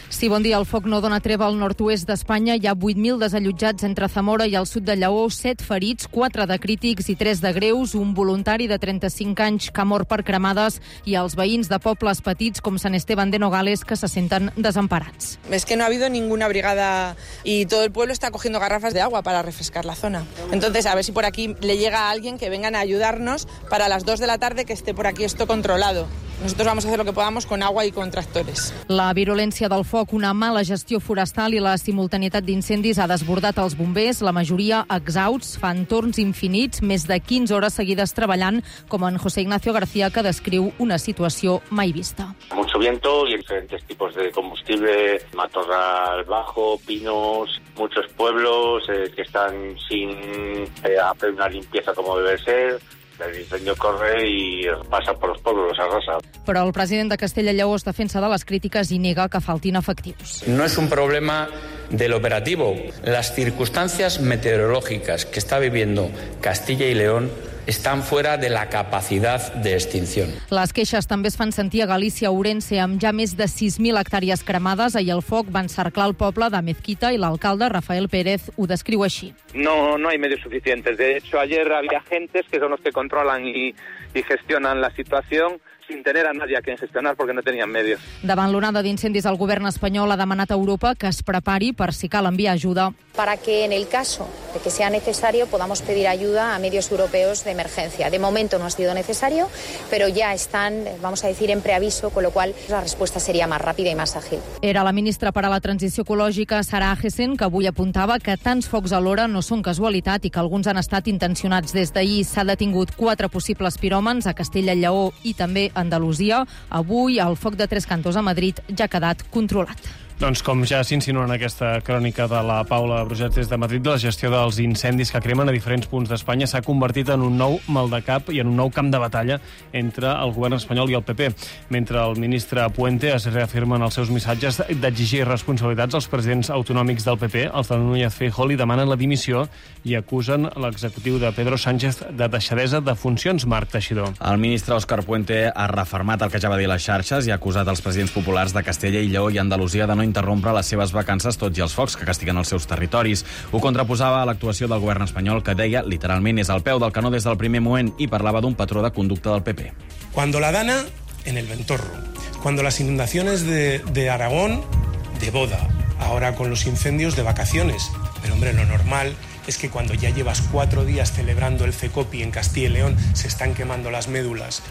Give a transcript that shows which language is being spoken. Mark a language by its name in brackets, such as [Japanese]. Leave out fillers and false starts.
[Catalan] Sí, bon dia. El foc no dona treva al nord-oest d'Espanya. Hi ha 8.000 desallotjats entre Zamora i el sud de Lleó, 7 ferits, 4 de crítics i 3 de greus, un voluntari de 35 anys que ha mort per cremades, i els veïns de pobles petits com Sant Esteban de Nogales, que se senten desemparats. [Spanish] Es que no ha habido ninguna brigada y todo el pueblo está cogiendo garrafas de agua para refrescarla. Zona. Entonces, a ver si por aquí le llega a alguien que vengan a ayudarnos para las 2 de la tarde, que esté por aquí esto controlado. Nosotros vamos a hacer lo que podamos con agua y con tractores. [Catalan] La virulència del foc, una mala gestió forestal i la simultaneïtat d'incendis ha desbordat els bombers, la majoria exhausts, fan torns infinits, més de 15 hores seguides treballant, com en José Ignacio García, que descriu una situació mai vista. [Spanish] Mucho viento y diferentes tipos de combustible, matorral bajo, pinos, muchos pueblos que están sin hacer una limpieza como debe ser. El incendio corre y pasa por los pueblos, los arrasa. [Catalan] Però el president de Castella i Lleó es defensa de les crítiques i nega que faltin efectius. [Spanish] No es un problema del operativo. Las circunstancias meteorológicas que está viviendo Castilla y León están fuera de la capacidad de extinción. [Catalan] Les queixes també es fan sentir a Galícia, Ourense, amb ja més de 6.000 hectàrees cremades. Ahir el foc va encerclar el poble de Mezquita i l'alcalde, Rafael Pérez, ho descriu així. [Spanish] No hay medios suficientes. De hecho, ayer había agentes que son los que controlan y gestionan la situación sin tener a nadie a quien gestionar porque no tenían medios. [Catalan] Davant l'onada d'incendis, el govern espanyol ha demanat a Europa que es prepari per si cal enviar ajuda. [Spanish] Para que en el caso de que sea necesario podamos pedir ayuda a medios europeos de emergencia. De momento no ha sido necesario, pero ya están, vamos a decir, en preaviso, con lo cual la respuesta sería más rápida y más ágil. [Catalan] Era la ministra per a la transició ecològica, Sara Hagesen, que avui apuntava que tants focs alhora no són casualitat i que alguns han estat intencionats. Des d'ahir s'ha detingut 4 possibles piròmens a Castella i Lleó i també Andalusia. Avui el foc de Tres Cantos a Madrid ja ha quedat controlat. Doncs com ja s'insinua en aquesta crònica de la Paula Brugets des de Madrid, la gestió dels incendis que cremen a diferents punts d'Espanya s'ha convertit en un nou mal de cap i en un nou camp de batalla entre el govern espanyol i el PP, mentre el ministre Puente es reafirma en els seus missatges d'exigir responsabilitats als presidents autonòmics del PP. Els de Núñez Feijóo li demanen la dimissió i acusen l'executiu de Pedro Sánchez de deixadesa de funcions, Marc Teixidor. El ministre Òscar Puente ha refermat el que ja va dir les xarxes i ha acusat els presidents populars de Castella i Lleó i Andalusia no interrompre les seves vacances, tot i els focs que castiguen els seus territoris. Ho contraposava a l'actuació del govern espanyol, que deia literalment és al peu del canó des del primer moment i parlava d'un patró de conducta del PP. [Spanish] Cuando la dana, en el ventorro. Cuando las inundaciones de Aragón, de boda. Ahora con los incendios, de vacaciones. Pero hombre, lo normal es que cuando ya llevas 4 días celebrando el FECOPI en Castilla y León, se están quemando las médulas.